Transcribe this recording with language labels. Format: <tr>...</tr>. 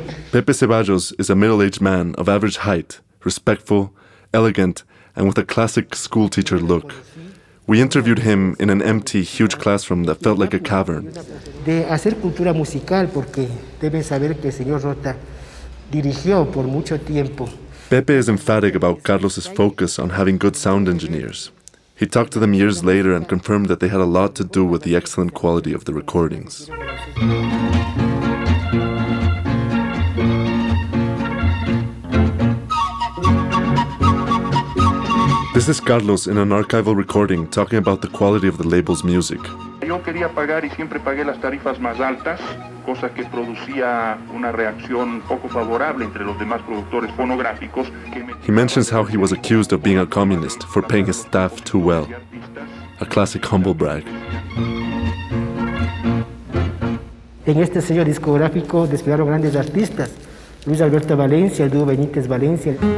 <en>Pepe Ceballos is a middle-aged man of average height, respectful, elegant, and with a classic schoolteacher look. We interviewed him in an empty, huge classroom that felt like a cavern.</en> <es>De hacer cultura musical, porque deben saber que el señor Rota dirigió por mucho tiempo.</es> <en>Pepe is emphatic about Carlos's focus on having good sound engineers. He talked to them years later and confirmed that they had a lot to do with the excellent quality of the recordings. This is Carlos in an archival recording talking about the quality of the label's music.</en> <es>Yo quería pagar y siempre pagué las tarifas más altas, cosa que producía una reacción poco favorable entre los demás productores fonográficos.</es> <en>He mentions how he was accused of being a communist for paying his staff too well. A classic humble brag.</en> <es>En este sello discográfico desfilaron grandes artistas, Luis Alberto Valencia, el dúo Benítez Valencia.</es>